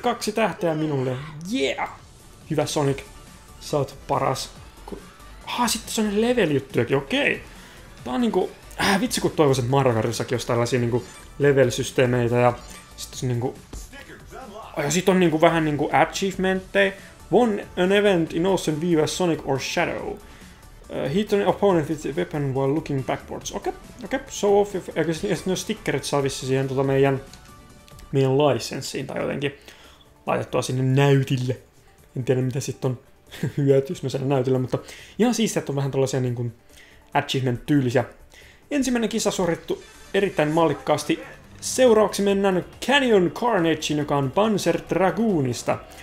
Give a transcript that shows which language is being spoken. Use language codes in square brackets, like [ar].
[fi] 2 tähteä minulle. Yeah. Hyvä Sonic. Sä oot paras. Sitten se on level juttujakin, okei. Okay. Tää on niinku, vitsi kun toivois, että Mario Kartissakin olisi tällaisia niinku level-systeemeitä ja sit se niinku... Ja sit on niinku vähän niinku achievementtei. [en] Won an event in Ocean View as Sonic or Shadow. Hit an opponent with a weapon while looking backwards. Okei, show off. [fi] Ja ne stickerit saa vissi siihen meidän licenssiin tai jotenkin laitettua sinne näytille. En tiedä mitä sit on hyöty, jos mä sen näytillä, mutta ihan siistiä, että on vähän tällaisia niinku... Achievement-tyylisiä. Ensimmäinen kisa suorittu erittäin mallikkaasti. Seuraavaksi mennään Canyon Carnageen, joka on Panzer Dragoonista.